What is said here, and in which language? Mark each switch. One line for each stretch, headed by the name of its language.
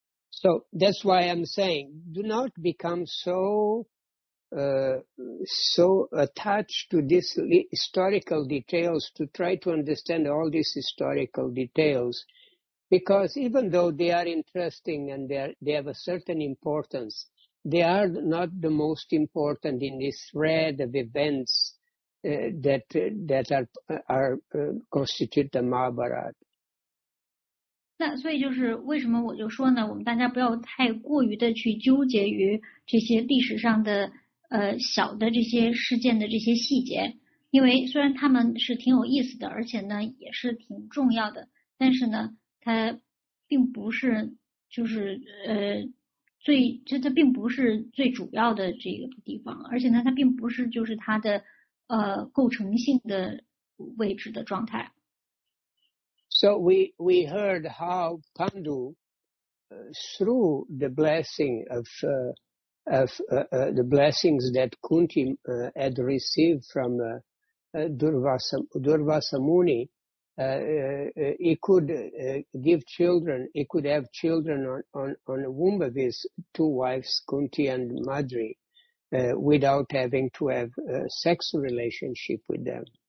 English: So that's why I'm saying, do not become so attached to these historical details to try to understand all these historical details, because even though they are interesting and they have a certain importance, they are not the most important in this thread of events that are constitute the Mahabharata.
Chinese: 那所以就是为什么我就说呢，我们大家不要太过于的去纠结于这些历史上的小的这些事件的这些细节，因为虽然他们是挺有意思的，而且呢也是挺重要的，但是呢它并不是就是最就它并不是最主要的这个地方，而且呢它并不是就是它的构成性的位置的状态。 s
English: So we heard how Pandu, through the blessing of the blessings that Kunti had received from Durvasa Muni, he could have children on a womb of his two wives, Kunti and Madri, without having to have a sex relationship with them.